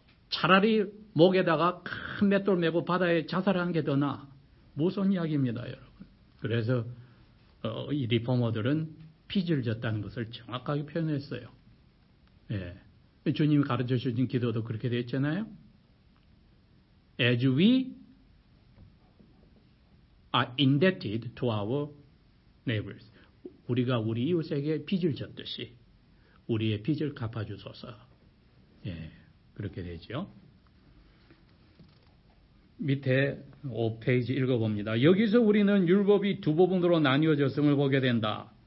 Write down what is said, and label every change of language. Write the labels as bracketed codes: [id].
[ko] 차라리 목에다가 큰 맷돌 메고 바다에 자살하는 게 더 나아. 무슨 이야기입니다, 여러분. 그래서 이 리포머들은 빚을 졌다는 것을 정확하게 표현했어요. 예. 주님이 가르쳐 주신 기도도 그렇게 되었잖아요. [en] As we are indebted to our neighbors. [ko] 우리가 우리 이웃에게 빚을 졌듯이 우리의 빚을 갚아주소서. 예. 그렇게 되죠. 밑에 5페이지 읽어봅니다. 여기서 우리는 율법이 두 부분으로 나뉘어졌음을 보게 된다.